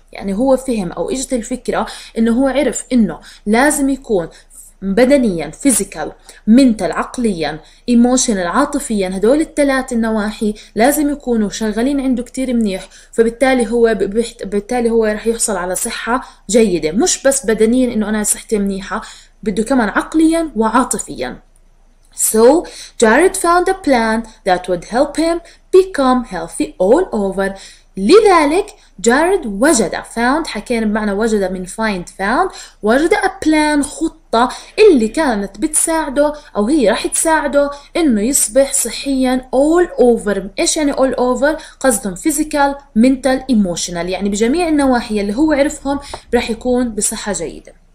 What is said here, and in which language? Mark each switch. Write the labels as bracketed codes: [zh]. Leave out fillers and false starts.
[ar] يعني هو فهم أو إجت الفكرة إنه هو عرف إنه لازم يكون بدنياً physical mental عقلياً emotional عاطفياً هدول الثلاث النواحي لازم يكونوا شغالين عنده كتير منيح، فبالتالي هو رح يحصل على صحة جيدة مش بس بدنياً إنه أنا صحتي منيحة، بده كمان عقلياً وعاطفياً. [en] So Jared found a plan that would help him become healthy all over. [ar] لذلك جارد وجد found حكينا بمعنى وجد من find found وجد a plan خطة اللي كانت بتساعده أو هي راح تساعده إنه يصبح صحيا all over. إيش يعني all over؟ قصدهم physical mental emotional، يعني بجميع النواحي اللي هو عرفهم راح يكون بصحة جيدة.